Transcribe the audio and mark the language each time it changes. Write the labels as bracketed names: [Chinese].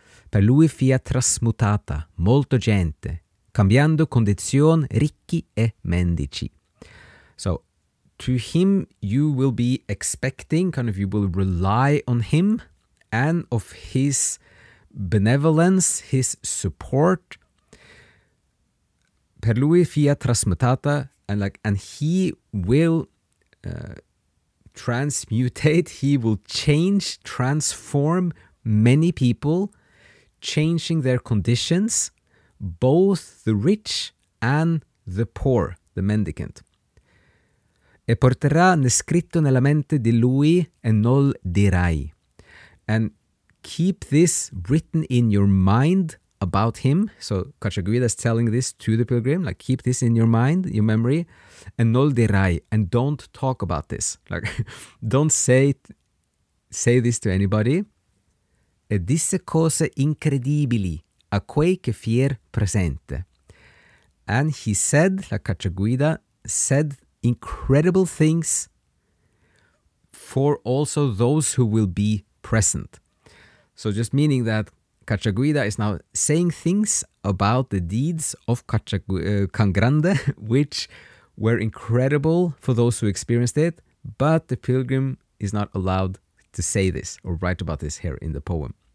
[Italian] Per lui fia trasmutata molto gente, cambiando condizione ricchi e mendici. [English] So, to him you will be expecting, kind of you will rely on him and of his benevolence, his support. [Italian] Per lui fia trasmutata, [English] and he will transmutate, he will change, transform many people, changing their conditions, both the rich and the poor, the mendicant. [Italian] E porterà scritto nella mente di lui e non dirai. [English] And keep this written in your mind about him. So Cacciaguida is telling this to the pilgrim, like, keep this in your mind, your memory, and [Italian] non dirai, [English] and don't talk about this. Like, don't say this to anybody. [Italian] E disse cose incredibili a quei che fier presente. [English] And he said, like Cacciaguida said, incredible things for also those who will be present. So just meaning that Cacciaguida is now saying things about the deeds of Can Grande, which were incredible for those who experienced it, but the pilgrim is not allowed to say this or write about this here in the poem.